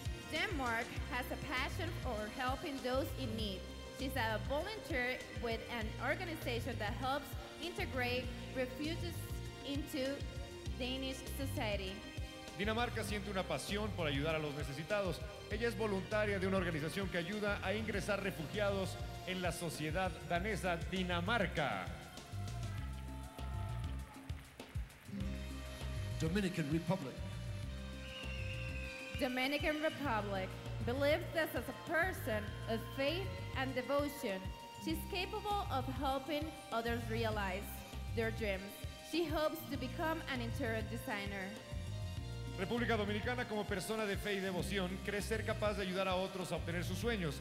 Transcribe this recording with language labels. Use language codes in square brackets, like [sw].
[en] Denmark has a passion for helping those in need. She's a volunteer with an organization that helps integrate refugees into Danish society. [es] Dinamarca siente una pasión por ayudar a los necesitados. Ella es voluntaria de una organización que ayuda a ingresar refugiados en la sociedad danesa. Dinamarca. [en] Dominican Republic. Dominican Republic believes this as a person of faith and devotion. She's capable of helping others realize their dreams. She hopes to become an interior designer. [es] República Dominicana, como persona de fe y devoción, cree ser capaz de ayudar a otros a obtener sus sueños.